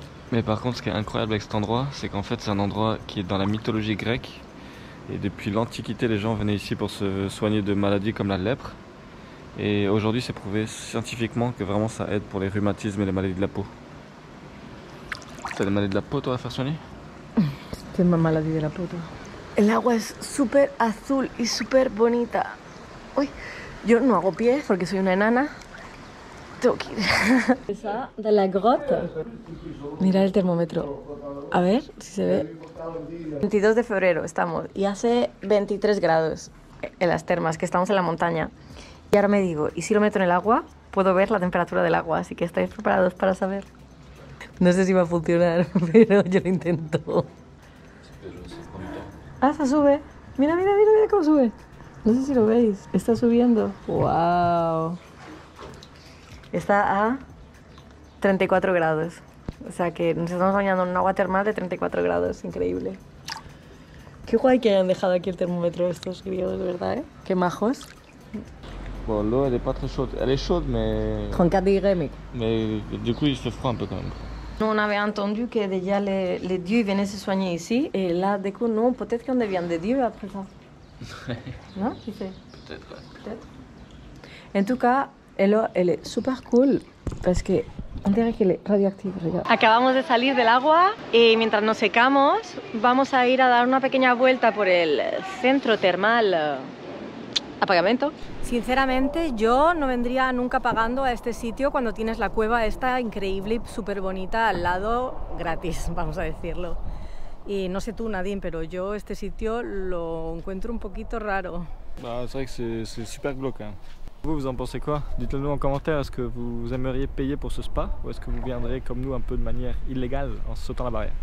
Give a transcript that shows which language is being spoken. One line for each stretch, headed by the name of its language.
French: Mais par contre, ce qui est incroyable avec cet endroit, c'est qu'en fait, c'est un endroit qui est dans la mythologie grecque. Et depuis l'Antiquité, les gens venaient ici pour se soigner de maladies comme la lèpre. Et aujourd'hui, c'est prouvé scientifiquement que vraiment ça aide pour les rhumatismes et les maladies de la peau. T'as des maladies de la peau toi à faire soigner? C'est ma maladie de la peau toi.
Spanish: El agua es súper azul y súper bonita. Uy, yo no hago pie porque soy una enana. Tengo que ir. Esa de la grotta. Mira el termómetro. A ver si se ve. 22 de febrero estamos y hace 23 grados en las termas, que estamos en la montaña. Y ahora me digo, ¿y si lo meto en el agua? Puedo ver la temperatura del agua, así que estáis preparados para saber. No sé si va a funcionar, pero yo lo intento. Ah, se sube. Mira, mira, mira, mira cómo sube. No sé si lo veis. Está subiendo. ¡Wow! Está a 34 grados. O sea que nos estamos bañando en un agua termal de 34 grados. Increíble. Qué guay que hayan dejado aquí el termómetro estos griegos, de verdad, ¿eh? Qué majos.
French: Bon, l'eau elle est pas très chaude. Elle est chaude, mais. 34 degrés, mec. Mais du coup, il se froid un peu quand même. Nous, on avait entendu que déjà les dieux venaient se soigner ici. Et là, du coup, nous, peut-être qu'on devient des dieux après ça. Non, tu sais. Peut-être, ouais. Peut-être. En tout cas, l'eau, elle est super cool parce que. On dirait qu'elle est radioactive, regarde.
Spanish: Acabamos de salir de l'agua et mientras nos secamos, vamos a ir a dar una pequeña vuelta por el centro termal. Apagamento. Sinceramente, yo no vendría nunca pagando a este sitio cuando tienes la cueva esta increíble y súper bonita al lado, gratis, vamos a decirlo. Y no sé tú, Nadine, pero yo este sitio lo encuentro un poquito raro.
French: Bah, c'est vrai que c'est super glauque. Hein. Vous en pensez quoi? Dites-le-nous en commentaire. Est-ce que vous aimeriez payer pour ce spa ou est-ce que vous viendrez comme nous un peu de manière illégale en sautant la barrière?